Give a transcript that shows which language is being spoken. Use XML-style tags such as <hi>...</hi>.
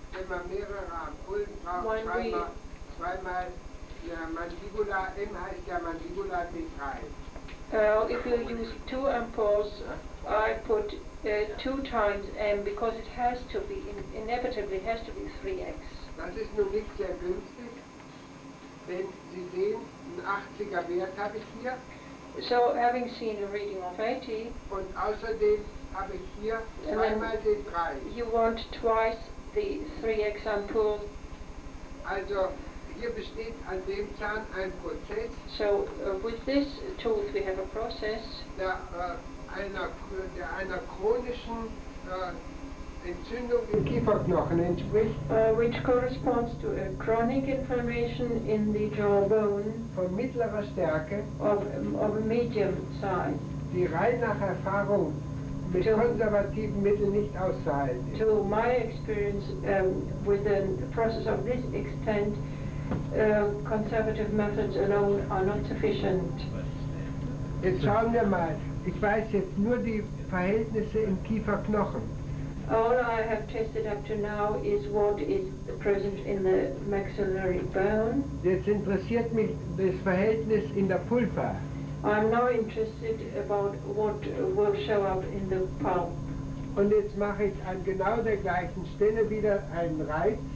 <de>Wenn man mehrere Ampullen braucht, schreibt man zweimal Mandibula. M heißt ja Mandibula D3.</de> <en>Well, if you use 2 amperes, I put 2 times M because it has to be, inevitably has to be 3x.</en> <de>Das ist nun nicht sehr günstig, denn Sie sehen, ein 80er Wert habe ich hier.</de> <en>So, having seen a reading of 80.</en> <de>Und außerdem habe ich hier zweimal den 3.</de> <en>You want twice the 3x ampoule.</en> <de>Also, hier besteht an dem Zahn ein Prozess.</de> <en>So, with this tooth we have a process.</en> <de>Einer chronischen Entzündung im Kieferknochen entspricht.</de> <en>Which corresponds to a chronic inflammation in the jawbone.</en> <de>Von mittlerer Stärke.</de> <en>Of a medium size.</en> <de>Die rein nach Erfahrung mit konservativen Mitteln nicht auszuhalten.</de> <en>To my experience with a process of this extent, conservative methods alone are not sufficient.</en> <de>Jetzt schauen wir mal. Ich weiß jetzt nur die Verhältnisse im Kieferknochen.</de> <en>All I have tested up to now is what is present in the maxillary bone.</en> <de>Jetzt interessiert mich das Verhältnis in der Pulpa.</de> <en>I'm now interested about what will show up in the pulp.</en> <de>Und jetzt mache ich an genau der gleichen Stelle wieder einen Reiz.</de>